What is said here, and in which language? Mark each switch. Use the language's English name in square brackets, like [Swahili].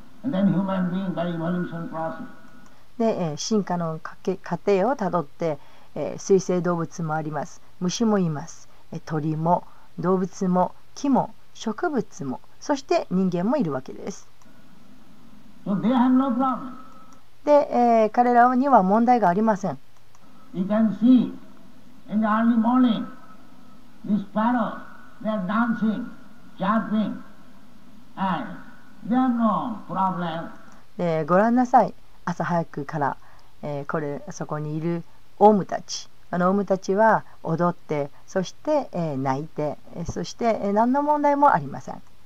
[Japanese] で、進化の過程をたどって水生動物もあります、虫もいます、鳥も動物も木も植物もそして人間もいるわけです。 [English] So they have no problem. [Japanese] で、彼らには問題がありません。 [English] You can see in the early morning the sparrows, they are dancing, chirping, and they have no problem. [Japanese] で、ご覧なさい、朝早くから、そこにいるオウムたち、あのオウムたちは踊って、そして、泣いて、そして、何の問題もありません。